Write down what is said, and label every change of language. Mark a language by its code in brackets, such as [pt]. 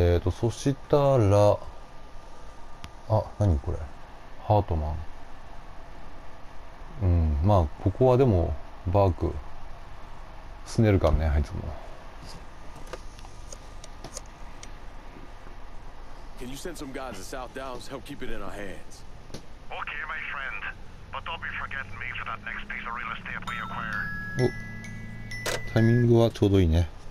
[ja] そしたら、あ、何これ。ハートマン。うん、まあここはでもバークすねるかね、あいつも。 [en] Can you send some guys to South Downs to help keep it in our hands? Okay, my friend. But don't be forgetting me for that next piece of real estate we acquire. [ja] お、タイミングはちょうどいいね。